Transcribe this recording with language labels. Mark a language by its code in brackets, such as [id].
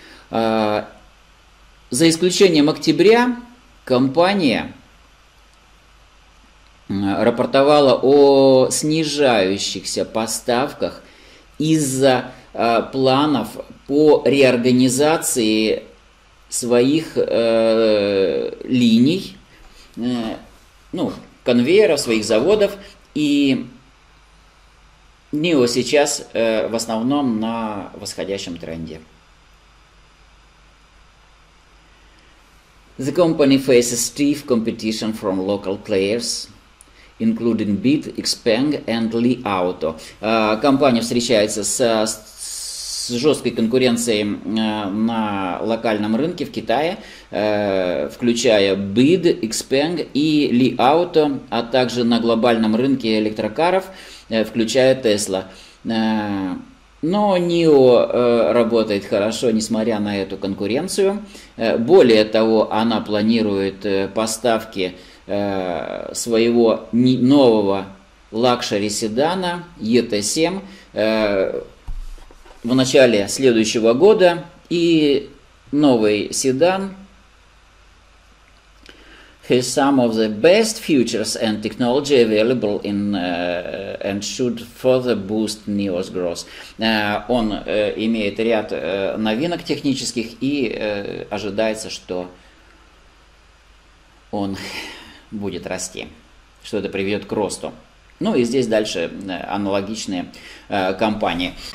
[ru] За исключением октября компания рапортовала о снижающихся поставках из-за планов по реорганизации своих линий, ну, конвейеров, своих заводов. И NIO сейчас в основном на восходящем тренде. [en] The company faces stiff competition from local players, including Beat, Xpeng and Li Auto. [ru] Компания встречается с жесткой конкуренцией на локальном рынке в Китае, включая Beat, Xpeng и Li Auto, а также на глобальном рынке электрокаров, включая Tesla. Но NIO работает хорошо, несмотря на эту конкуренцию. Более того, она планирует поставки своего нового лакшери-седана ET7 в начале следующего года. И новый седан [en] has some of the best features and technology available in and should further boost NIO's growth. [ru] Он имеет ряд новинок технических, и ожидается, что он будет расти, что это приведет к росту. Ну и здесь дальше аналогичные компании.